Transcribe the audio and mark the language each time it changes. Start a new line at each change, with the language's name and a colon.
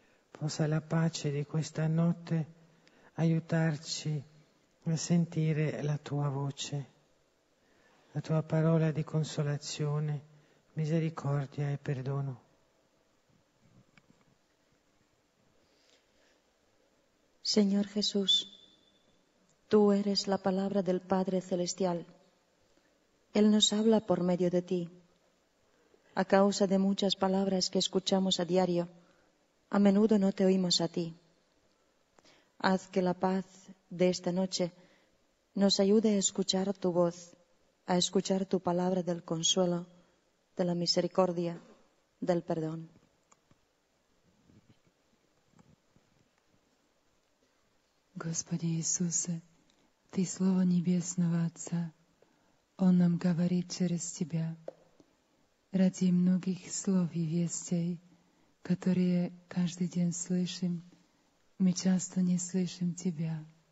Italian: Possa la pace di questa notte aiutarci a sentire la tua voce, la tua parola di consolazione, misericordia e perdono.
Spanish: Señor Jesús, tú eres la palabra del Padre Celestial. Él nos habla por medio de ti. A causa de muchas palabras que escuchamos a diario, a menudo no te oímos a ti. Haz que la paz de esta noche nos ayude a escuchar tu voz, a escuchar tu palabra del consuelo, de la misericordia, del perdón.
Russian: Господи Иисусе, ты слово небесного Отца, Он нам говорит через Тебя. Ради многих слов и вестей, которые каждый день слышим, мы часто не слышим Тебя.